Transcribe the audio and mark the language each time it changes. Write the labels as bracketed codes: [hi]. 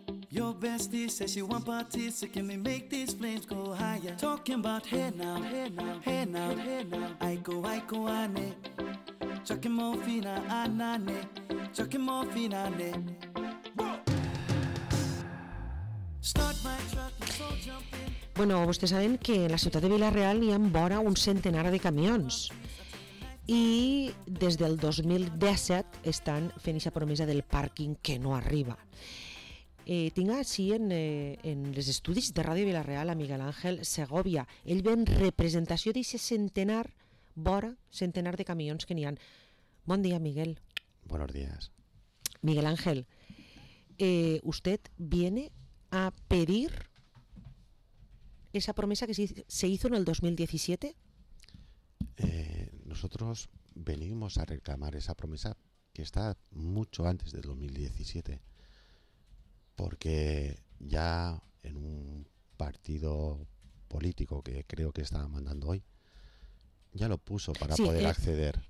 [en] Your bestie says she want parties, so can we make these flames go higher? Talking about hey now, hey now, hey now, hey now. I go ane, chucking more fina anane, chucking more fina ne. Start my truck, let's all jump in. [ca] Bueno, vostès saben que a la ciutat de Vila-real hi ha vora un centenar de camions. I des del 2017 estan fent aquesta promesa del pàrquing que no arriba. Tinc així en els estudis de Ràdio Vila-real a Miguel Ángel Segovia. Ell ve en representació d'aquest centenar, vora centenar de camions que n'hi ha. Bon dia, Miguel. [es] Buenos días. Miguel Ángel, usted viene a pedir esa promesa que se hizo en el 2017? Nosotros venimos a reclamar esa promesa que está mucho antes del 2017, porque ya en un partido político que creo que estaba mandando hoy, ya lo puso para poder acceder.